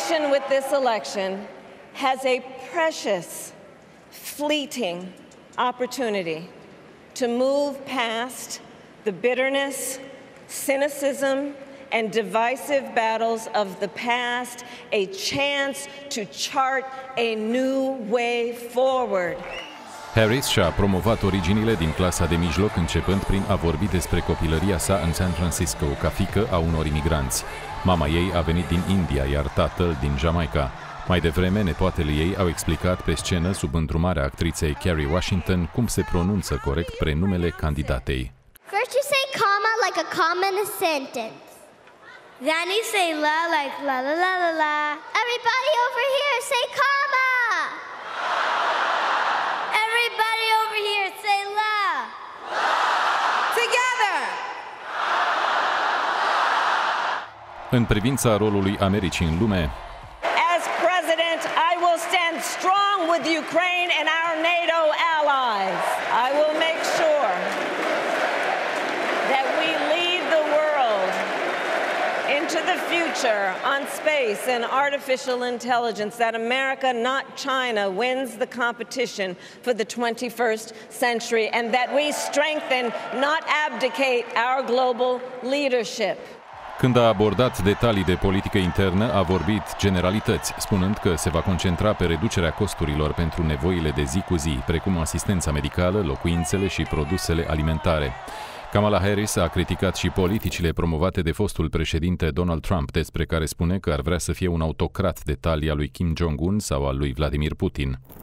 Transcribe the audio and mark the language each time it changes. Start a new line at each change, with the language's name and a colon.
English: With this election has a precious, fleeting opportunity to move past the bitterness, cynicism, and divisive battles of the past, a chance to chart a new way forward.
Romanian: Harris și-a promovat originile din clasa de mijloc, începând prin a vorbi despre copilăria sa în San Francisco, ca fică a unor imigranți. Mama ei a venit din India, iar tatăl din Jamaica. Mai devreme, nepoatele ei au explicat pe scenă, sub îndrumarea actriței Kerry Washington, cum se pronunță corect prenumele candidatei.
English: First you say comma like a comma in a sentence. Then you say la like la la la la la. Everybody over here say comma! Everybody over here say la!
Romanian: În privința rolului Americii în lume.
English: As president, I will stand strong with Ukraine and our NATO allies. I will make sure that we lead the world into the future on space and artificial intelligence, that America, not China, wins the competition for the 21st century, and that we strengthen, not abdicate, our global leadership.
Romanian: Când a abordat detalii de politică internă, a vorbit generalități, spunând că se va concentra pe reducerea costurilor pentru nevoile de zi cu zi, precum asistența medicală, locuințele și produsele alimentare. Kamala Harris a criticat și politicile promovate de fostul președinte Donald Trump, despre care spune că ar vrea să fie un autocrat de talia lui Kim Jong-un sau a lui Vladimir Putin.